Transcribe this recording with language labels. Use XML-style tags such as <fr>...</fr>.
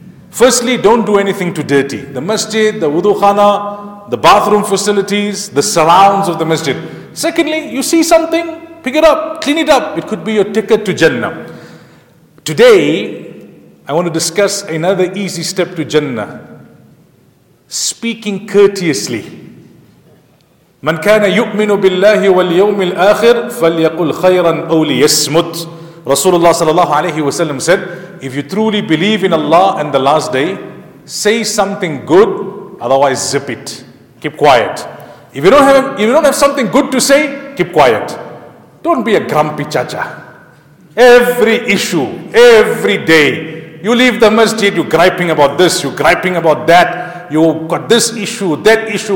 <en>Firstly, don't do anything too dirty. The masjid, the wudu khana, the bathroom facilities, the surrounds of the masjid. Secondly, you see something, pick it up, clean it up. It could be your ticket to Jannah. Today, I want to discuss another easy step to Jannah. speaking courteously.</en> <ar>من كان يؤمن بالله واليوم الآخر فليقل خيرا أو ليسمت. رسول الله صلى الله عليه وسلم</ar> <en>said, if you truly believe in Allah and the last day, say something good, otherwise zip it. Keep quiet. If you don't have something good to say, keep quiet. Don't be a grumpy chacha. Every issue, every day, you leave the masjid, you're griping about this, you're griping about that, you've got this issue, that issue.</en>